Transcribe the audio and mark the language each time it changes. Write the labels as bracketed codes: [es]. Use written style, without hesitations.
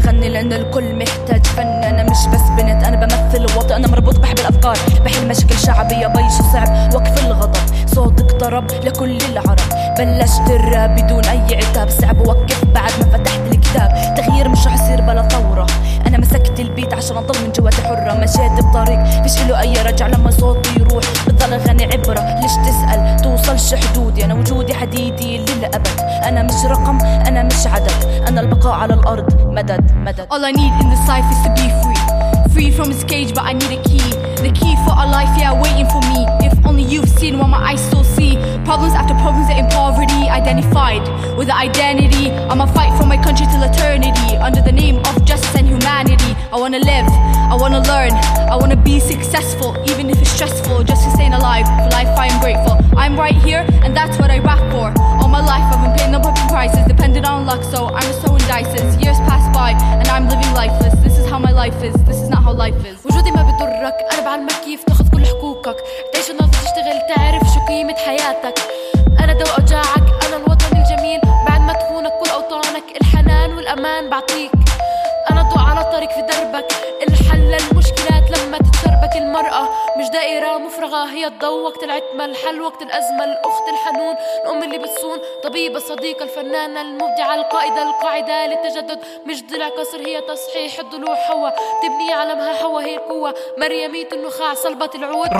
[ar] لأن الكل محتاج فن أنا مش بس بنت أنا بمثل الوطن أنا مربوط بحب الأفكار بحل مشاكل شعبية بيش وصعب وقف الغضب صوتك طرب لكل العرب بلشت الراب بدون أي عتاب صعب وقف بعد ما فتحت الكتاب تغيير مش رح يصير بلا ثورة أنا مسكت البيت عشان أضل من جواتي حرة مشيت بطريق فيش إله أي رجع لما صوتي يروح بضل غني عبرة ليش تسأل توصلش حدودي أنا وجودي حديدي للأبد أنا مش رقم أنا مش عدد أنا البقاء على الأرض مدد مدد [en] All I need in this life is to be free Free from this cage but I need a key The key for a life yeah waiting for me If only you've seen what my eyes still see Problems after problems in poverty Identified with an identity I'ma fight for my country till eternity Under the name of justice and humanity I wanna live, I wanna learn I wanna be successful even if it's stressful Just to stay alive, for life I am grateful I'm right here and that's what I rap for All my life I've been paying the public prices Depending on luck so I'm just throwing dices Years pass by and I'm living lifeless This is how my life is, this is not how life is [ar] وجودي ما بضرك أربع المكيف تاخذ كل حقوقك تعيش وناس تشتغل تعرف شو قيمة حياتك أنا دو أجاعك أنا الوطن الجميل بعد ما تخونك كل أوطانك الحنان والأمان بعطيك أنا ضوء على طريق في دربك الحل للمشكلات لما تتربك المرأة مش دائرة مفرغة هي الضوء وقت العتمة الحل وقت الأزمة الأخت الحنون الأم اللي بتصون طبيبة صديقة الفنانة المبدعة القائدة القاعدة للتجدد مش ضلع قصر هي تصحيح الضلوع حوا تبني عالمها حوا هي القوة مريمية النخاع صلبة العود